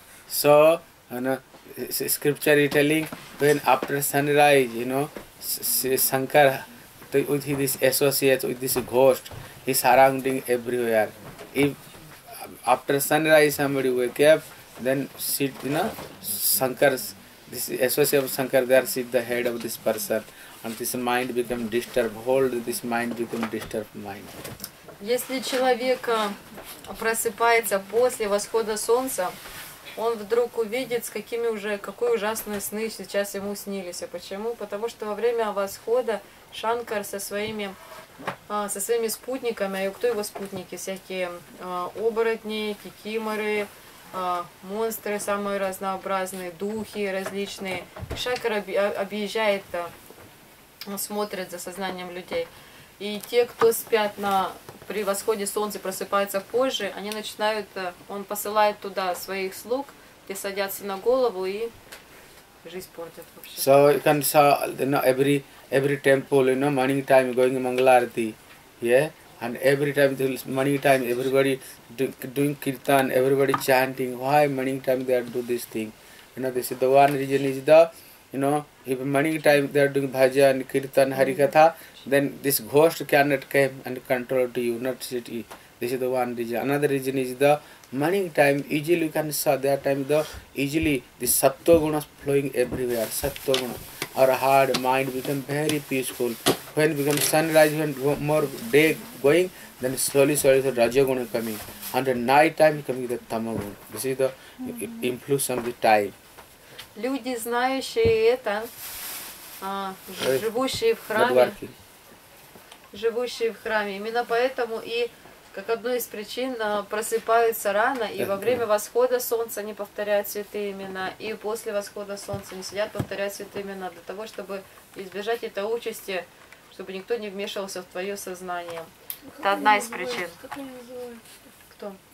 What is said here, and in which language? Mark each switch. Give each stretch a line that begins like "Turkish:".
English: So, you know, scripture is telling, when after sunrise, you know, Shankar, with his associates, with this ghost, he's surrounding everywhere. If after sunrise somebody wake up, then sit, you know, Shankar's, this associate of Shankar there sit the head of this person, and this mind become disturbed, hold this mind become disturbed mind.
Russian: Если человек просыпается после восхода солнца, он вдруг увидит, с какими уже, какой ужасные сны сейчас ему снились. А почему? Потому что во время восхода Шанкар со своими спутниками, а кто его спутники? Всякие оборотни, кикиморы, монстры самые разнообразные, духи различные. Шанкар объезжает, смотрит за сознанием людей. И те, кто спят при восходе солнца, просыпаются позже, они начинают, он посылает туда своих слуг, те садятся на голову и жизнь портят вообще.
English: So you can saw, you know, every temple, you know, morning time going Mangala Arati, yeah? And every time, morning time, everybody doing kirtan, everybody chanting, why morning time they are do this thing? You know, this is the one reason is the, you know, if morning time they are doing bhajan, kirtan, harikatha, then this ghost cannot come and control to you, not city. This is the one reason. Another reason is the morning time, easily you can saw that time, the easily the sattva guna flowing everywhere, sattva guna. Our heart, mind become very peaceful. When become sunrise, when more day going, then slowly the rajaguna coming. And at night time coming the tamaguna. This is the influence of the time.
Russian: Люди, знающие это, живущие в храме, именно поэтому и как одну из причин просыпаются рано, и во время восхода солнца они повторяют святые имена, и после восхода солнца они сидят, повторяют святые имена, для того, чтобы избежать этой участи, чтобы никто не вмешивался в твое сознание. Это одна из причин. Кто?